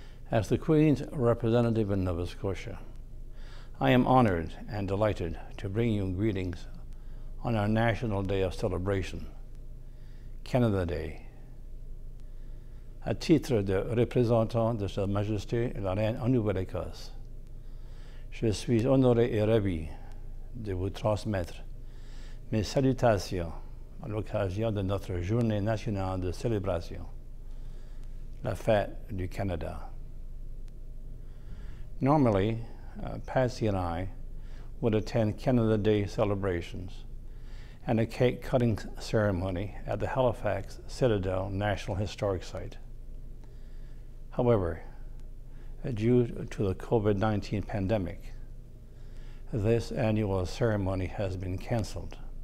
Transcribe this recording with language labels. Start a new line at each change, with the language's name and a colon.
English: As the Queen's representative in Nova Scotia, I am honored and delighted to bring you greetings on our National Day of Celebration, Canada Day.
French: À titre de représentant de Sa Majesté la Reine en Nouvelle-Écosse, je suis honoré et ravi de vous transmettre mes salutations à l'occasion de notre Journée nationale de célébration, la Fête du Canada.
English: Normally, Patsy and I would attend Canada Day celebrations and a cake-cutting ceremony at the Halifax Citadel National Historic Site. However, due to the COVID-19 pandemic, this annual ceremony has been canceled.